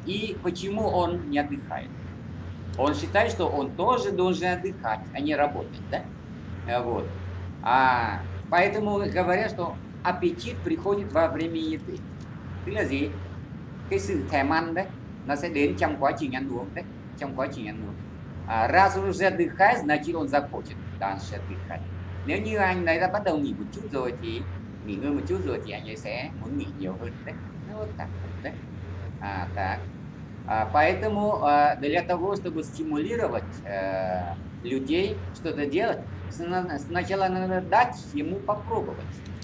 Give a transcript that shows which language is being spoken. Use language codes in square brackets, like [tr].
[ru] И почему он не отдыхает? Он считает, что он тоже должен отдыхать, а не работать, да? Вот. А поэтому говорят, что аппетит приходит во время еды. [vi] Ты лази, cái sự thèm ăn đấy, nó sẽ đến trong quá trình ăn uống đấy, trong quá trình ăn uống. [ru] Раз уже отдыхает, значит он захочет дальше отдыхать. [vi] Nếu như anh ấy đã bắt đầu nghỉ một chút rồi thì nghỉ ngơi một chút rồi thì anh ấy sẽ muốn nghỉ nhiều hơn đấy. [ru] Поэтому для того, чтобы стимулировать людей что-то делать, сначала надо дать ему попробовать.